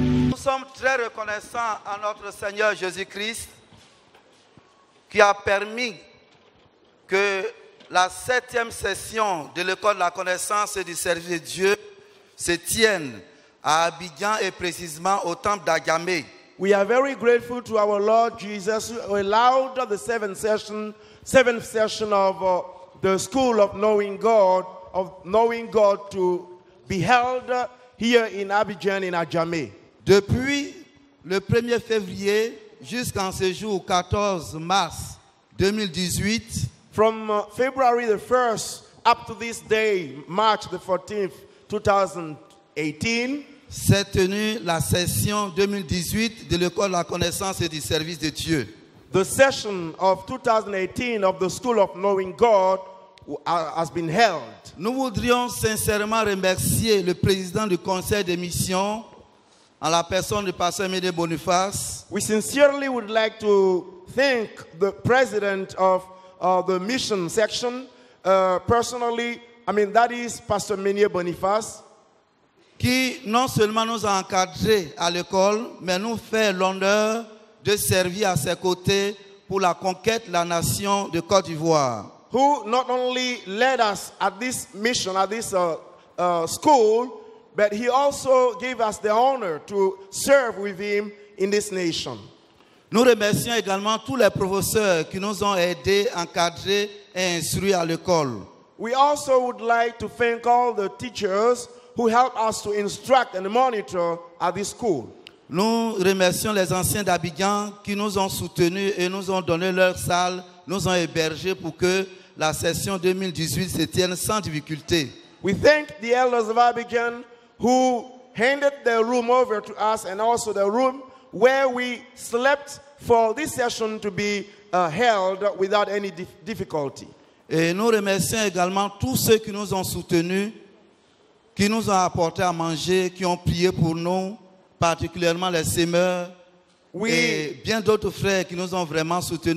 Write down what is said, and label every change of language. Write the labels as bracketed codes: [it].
[fr] Nous sommes très reconnaissants à notre Seigneur Jésus-Christ qui a permis que la 7e session de l'école de la connaissance et du service de Dieu se tienne à Abidjan et précisément au temple d'Agamé. [en] We are very grateful to our Lord Jesus who allowed the seventh session of the School of Knowing God to be held here in Abidjan in Agamé. [fr] Depuis le 1er février jusqu'en ce jour 14 mars 2018. [en] From February the 1st up to this day, March the 14th, 2018. [fr] S'est tenue la session 2018 de l'école de la connaissance et du service de Dieu. [en] The session of 2018 of the School of Knowing God has been held. [fr] Nous voudrions sincèrement remercier le président du conseil des missions en la personne du pasteur Médé Boniface. [en] We sincerely would like to thank the president of the mission section personally. I mean that is Pastor Médé Boniface. [fr] Qui non seulement nous a encadrés à l'école, mais nous fait l'honneur de servir à ses côtés pour la conquête de la nation de Côte d'Ivoire. [en] Who not only led us at this mission, at this school, But he also gave us the honor to serve with him in this nation. [fr] Nous remercions également tous les professeurs qui nous ont aidés, encadrés et instruits à l'école. [en] We also would like to thank all the teachers who helped us to instruct and monitor at this school. [fr] Nous remercions les anciens d'Abidjan qui nous ont soutenus et nous ont donné leur salle, nous ont hébergés pour que la session 2018 se tienne sans difficulté. [en] We thank the elders of Abidjan who handed their room over to us and also the room where we slept for this session to be held without any difficulty. [fr] Et nous remercions également tous ceux qui nous ont soutenus, qui nous ont apporté à manger, qui ont prié pour nous, particulièrement les semeurs et bien d'autres frères qui nous ont vraiment soutenus.